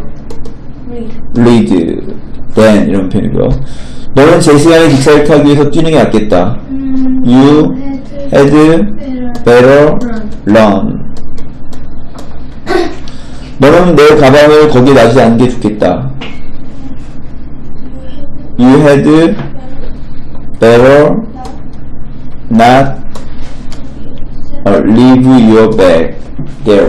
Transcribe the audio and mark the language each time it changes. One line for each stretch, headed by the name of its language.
English: I would rather read than.
Korean: 이런 표현이고요. 너는 제 시간에 기차를 타기 위해서 뛰는 게 낫겠다.
English: You had better run.
Korean: 너는 내 가방을 거기에 놔두지 않는 게 좋겠다.
English: You had better not leave your bag there.